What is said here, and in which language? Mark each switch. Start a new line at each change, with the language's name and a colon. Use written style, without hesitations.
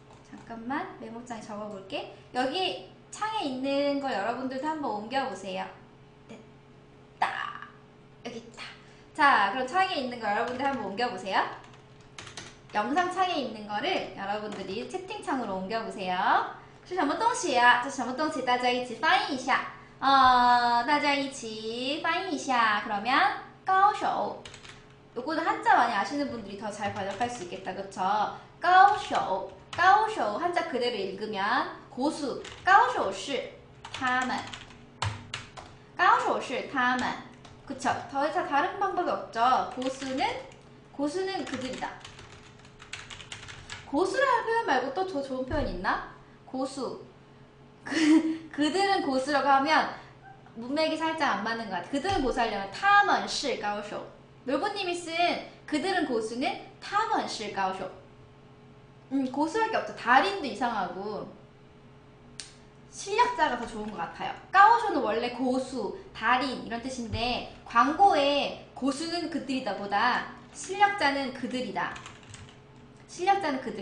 Korean: 잠깐만, 메모장에 적어볼게. 여기 창에 있는 걸 여러분들도 한번 옮겨보세요. 됐다. 여기 있다. 자, 그럼 창에 있는 걸 여러분들 한번 옮겨보세요. 영상 창에 있는 거를 여러분들이 채팅창으로 옮겨보세요.
Chinese: 是什么东西呀? 这什么东西?大家一起翻译一下. 大家一起翻译一下.
Korean: 그러면,
Chinese: 高手.
Korean: 요거는 한자 많이 아시는 분들이 더잘 번역할 수 있겠다, 그쵸? 高手, 高手 한자 그대로 읽으면 고수,
Chinese: 高手是他们, 高手是他们,
Korean: 그쵸? 더 이상 다른 방법이 없죠? 고수는 그들이다. 고수라는 표현 말고 또 더 좋은 표현 있나? 고수, 그들은 고수라고 하면 문맥이 살짝 안 맞는 것 같아. 그들은 고수하려면
Chinese: 他们是高手.
Korean: 놀부님이 쓴 그들은 고수는
Chinese: 他们是高手.
Korean: 고수밖에 없죠. 달인도 이상하고 실력자가 더 좋은 것 같아요. 高手는 원래 고수, 달인 이런 뜻인데 광고에 고수는 그들이다 보다 실력자는 그들이다. 실력자는 그들.